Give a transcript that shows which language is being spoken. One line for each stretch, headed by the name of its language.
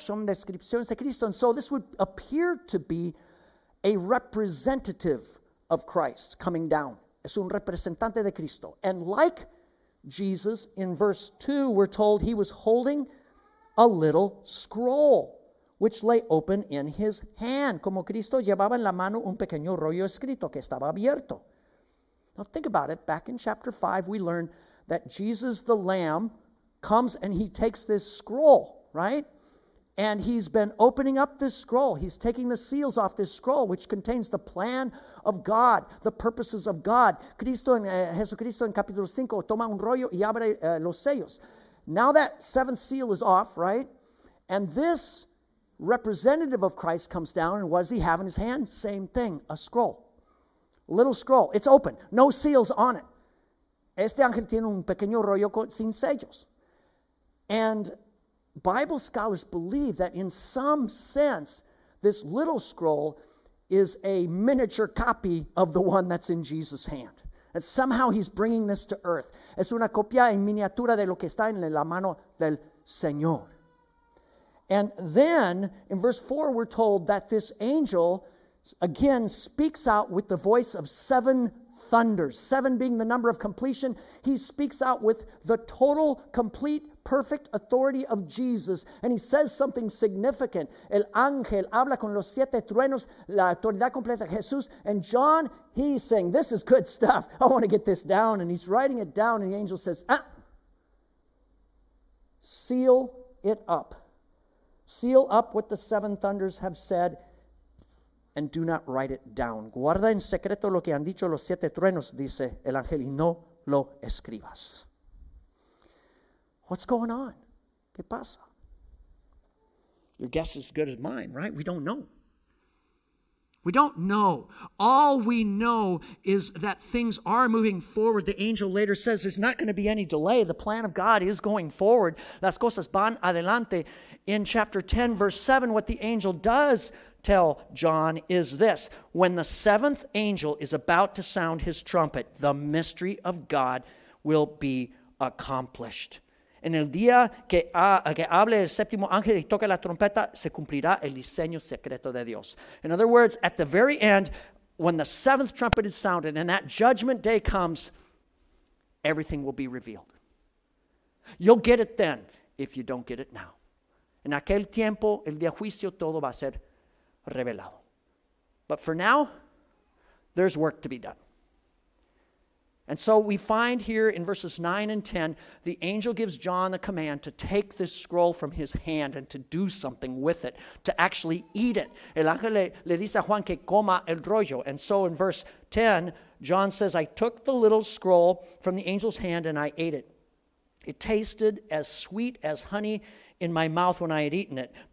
Spanish: Son descripciones de Cristo.
English: And so this would appear to be a representative of Christ coming down.
Spanish: Es un representante de Cristo.
English: And like Jesus, in verse 2, we're told he was holding a little scroll which lay open in his hand.
Spanish: Como Cristo llevaba en la mano un pequeño rollo escrito que estaba abierto.
English: Now think about it. Back in chapter 5, we learn that Jesus the Lamb comes and he takes this scroll, right? And he's been opening up this scroll. He's taking the seals off this scroll, which contains the plan of God, the purposes of God.
Spanish: Cristo, Jesucristo en capítulo 5, toma un rollo y abre los sellos.
English: Now that seventh seal is off, right? And this representative of Christ comes down, and what does he have in his hand? Same thing, a scroll. A little scroll. It's open. No seals on it.
Spanish: Este ángel tiene un pequeño rollo sin sellos.
English: And Bible scholars believe that in some sense, this little scroll is a miniature copy of the one that's in Jesus' hand. That somehow he's bringing this to earth.
Spanish: Es una copia en miniatura de lo que está en la mano del Señor.
English: And then in verse 4, we're told that this angel again speaks out with the voice of seven thunders, seven being the number of completion. He speaks out with the total, complete, perfect authority of Jesus, and he says something significant.
Spanish: El ángel habla con los siete truenos, la autoridad completa de Jesús.
English: And John, he's saying, this is good stuff. I want to get this down. And he's writing it down, and the angel says, ah, seal it up. Seal up what the seven thunders have said, and do not write it down.
Spanish: Guarda en secreto lo que han dicho los siete truenos, dice el ángel, y no lo escribas.
English: What's going on?
Spanish: ¿Qué pasa?
English: Your guess is as good as mine, right? We don't know. We don't know. All we know is that things are moving forward. The angel later says there's not going to be any delay. The plan of God is going forward.
Spanish: Las cosas van adelante.
English: In chapter 10, verse 7, what the angel does tell John is this: when the seventh angel is about to sound his trumpet, the mystery of God will be accomplished.
Spanish: En el día que hable el séptimo ángel y toque la trompeta, se cumplirá el diseño secreto de Dios.
English: In other words, at the very end, when the seventh trumpet is sounded and that judgment day comes, everything will be revealed. You'll get it then if you don't get it now.
Spanish: En aquel tiempo, el día juicio, todo va a ser revelado.
English: But for now, there's work to be done. And so we find here in verses 9 and 10, the angel gives John the command to take this scroll from his hand and to do something with it, to actually eat it.
Spanish: El ángel le dice a Juan que coma el rollo.
English: And so in verse 10, John says, I took the little scroll from the angel's hand and I ate it. It tasted as sweet as honey in my mouth when I had eaten it.